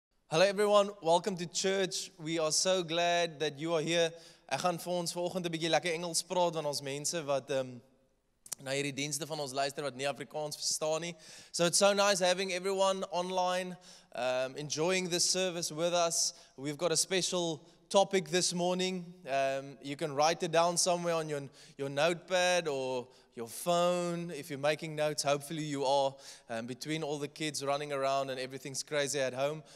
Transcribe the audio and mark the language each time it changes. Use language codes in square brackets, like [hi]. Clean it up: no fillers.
[en] Hello everyone, welcome to church. We are so glad that you are here. [af] Ek gaan vir ons vanoggend 'n bietjie lekker Engels praat van ons mense wat na hierdie dienste van ons luister wat nie Afrikaans verstaan nie. [en] So it's so nice having everyone online enjoying this service with us. We've got a special topic this morning. You can write it down somewhere on your notepad or your phone, if you're making notes, hopefully you are, between all the kids running around and everything's crazy at home.